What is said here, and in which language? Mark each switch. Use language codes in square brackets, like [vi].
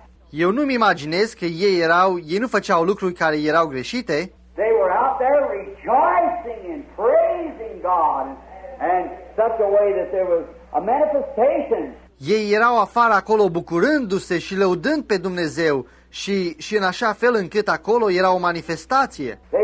[ro] Eu nu-mi imaginez că ei nu făceau lucruri care erau greșite. [en] They were out there rejoicing and praising God in such a way that there was a manifestation. [ro] Ei erau afară acolo bucurându-se și lăudând pe Dumnezeu și în așa fel încât acolo era o manifestație.